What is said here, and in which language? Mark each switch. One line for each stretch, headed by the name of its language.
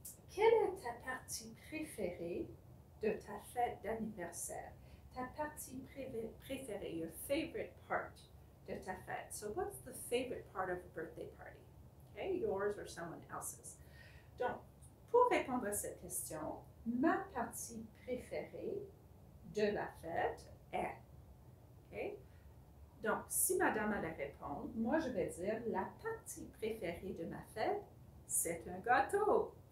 French: Quelle est ta partie préférée de ta fête d'anniversaire? Ta partie préférée,
English: your favorite part
French: de ta fête.
English: So what's the favorite part of a birthday party? Okay, yours or someone else's.
French: Donc, pour répondre à cette question, ma partie préférée de la fête est. Okay? Donc, si madame allait répondre, moi je vais dire la partie préférée de ma fête, c'est un gâteau.